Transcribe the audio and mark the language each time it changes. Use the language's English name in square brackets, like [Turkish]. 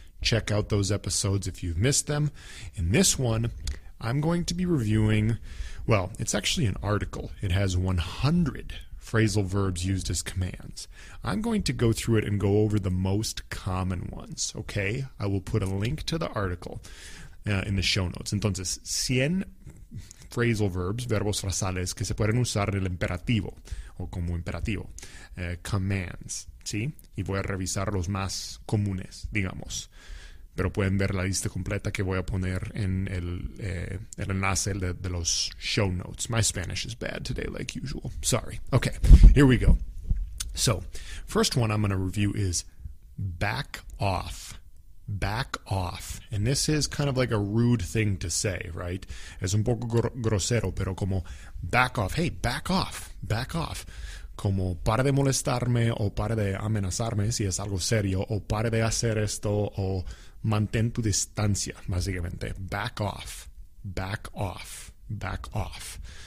[English] Check out those episodes if you've missed them. In this one, I'm going to be reviewing, well, it's actually an article. It has 100 phrasal verbs used as commands. I'm going to go through it and go over the most common ones, okay? I will put a link to the article in the show notes. [Spanish] Entonces, 100 phrasal verbs, verbos frasales, que se pueden usar en el imperativo, o como imperativo, commands, ¿sí? Y voy a revisar los más comunes, digamos. Pero pueden ver la lista completa que voy a poner en el enlace de los show notes. [English] My Spanish is bad today, like usual. Sorry. Okay, here we go. So, first one I'm going to review is back off. Back off. And this is kind of like a rude thing to say, right? [Spanish] Es un poco grosero, pero como back off. [English] Hey, back off. Back off. [Spanish] Como pare de molestarme o pare de amenazarme si es algo serio o pare de hacer esto o mantén tu distancia, básicamente. [English] Back off. Back off. Back off.